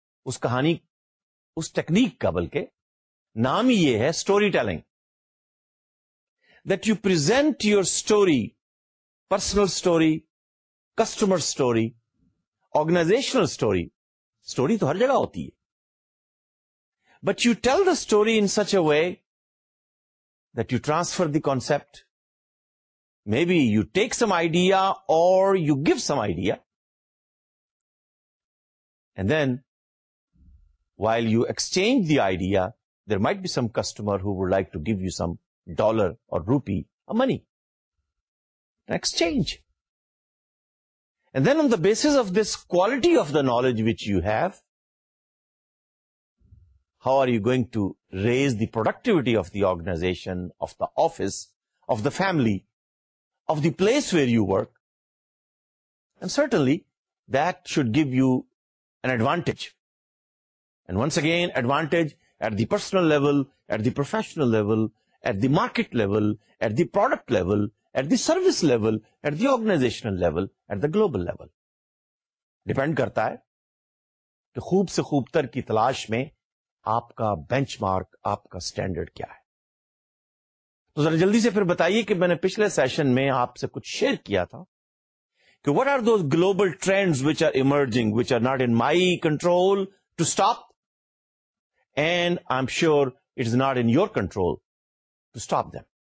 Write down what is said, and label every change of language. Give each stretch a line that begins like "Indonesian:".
Urdu: اس کہانی, اس ٹیکنیک کا بلکہ نام ہی یہ ہے, story telling,
English: that you present your story,
Urdu: personal story, customer story, organisational story. Story تو ہر جگہ ہوتی ہے,
English: but you tell the story in such a way that you transfer the concept, maybe you take some idea or you give some idea, and then while you exchange the idea there might be some customer who would like to give you some dollar or rupee or money, an exchange, and then on the basis of this quality of the knowledge which you have, how are you going to raise the productivity of the organization, of the office, of the family, of the place where you work? And certainly, that should give you an advantage. And once again, advantage at the personal level, at the professional level, at the market level, at the product level, at the service level, at the organizational level, at the global level.
Urdu: Depend karta hai ki khoob se khoob tar ki talash mein آپ کا bench mark, آپ کا standard کیا ہے. تو ذرا جلدی سے پھر بتائیے کہ میں نے پچھلے سیشن میں آپ سے کچھ شیئر کیا تھا کہ
English: What are those global trends which are emerging which are not in my control to stop, and I'm sure it is not in your control to stop them.